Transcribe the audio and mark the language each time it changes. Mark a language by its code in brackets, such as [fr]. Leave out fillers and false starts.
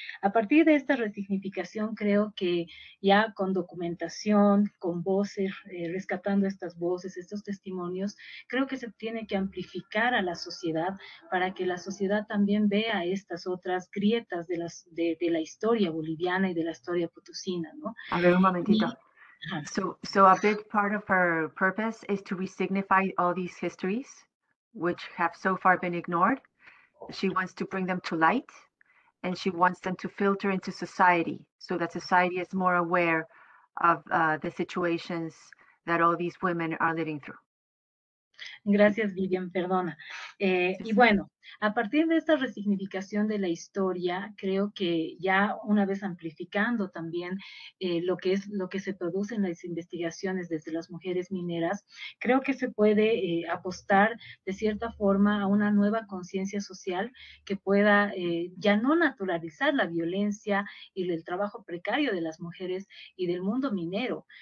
[es] A partir de esta resignificación, creo que ya con documentación, con voces, rescatando estas voces, estos testimonios, creo que se tiene que amplificar a la sociedad para que la sociedad también vea estas otras grietas de las de la historia boliviana y de la historia potosina, ¿no? A ver, un momentito. [en] So a big part of our purpose is to resignify all these histories, which have so far been ignored. She wants to bring them to light, and she wants them to filter into society so that society is more aware of the situations that all these women are living through. [es] Gracias, Vivian, perdona. Y bueno, a partir de esta resignificación de la historia, creo que ya una vez amplificando también lo que se produce en las investigaciones desde las mujeres mineras, creo que se puede apostar de cierta forma a una nueva conciencia social que pueda ya no naturalizar la violencia y el trabajo precario de las mujeres y del mundo minero.